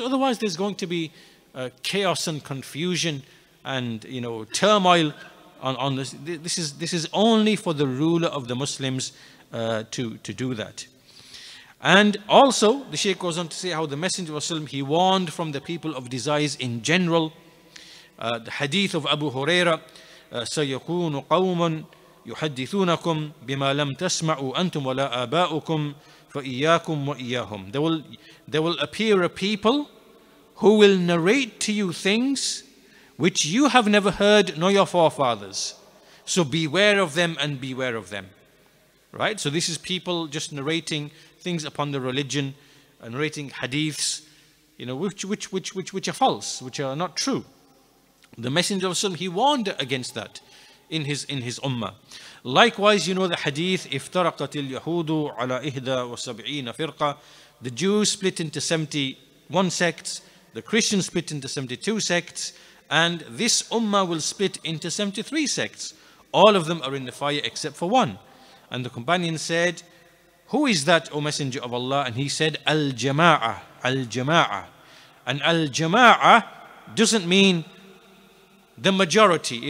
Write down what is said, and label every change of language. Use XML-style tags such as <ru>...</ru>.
<en>Otherwise, there's going to be chaos and confusion and, you know, turmoil on this. This is only for the ruler of the Muslims to do that. And also, the Shaykh goes on to say how the Messenger of Allah, he warned from the people of desires in general. The hadith of Abu Hurraira,</en> <ar>سَيَكُونُ قَوْمٌ يُحَدِّثُونَكُمْ بِمَا لَمْ تَسْمَعُوا أَنْتُمْ وَلَا آبَاؤُكُمْ فَإِيَّاكُمْ وَإِيَّاهُمْ.</ar> <en>There will appear a people who will narrate to you things which you have never heard, nor your forefathers. So beware of them and beware of them. Right? So this is people just narrating things upon the religion, and narrating hadiths, you know, which are false, which are not true. The Messenger of Allah, he warned against that in his ummah. Likewise, you know the hadith,</en> <ar>اِفْتَرَقَتِ الْيَهُودُ عَلَىٰ إِهْدَى وَسَبْعِينَ فِرْقَةً.</ar> <en>The Jews split into 71 sects, the Christians split into 72 sects, and this ummah will split into 73 sects. All of them are in the fire except for one. And the companion said, who is that, O Messenger of Allah? And he said, al-jama'ah, al-jama'ah. And al-jama'ah doesn't mean the majority.</en>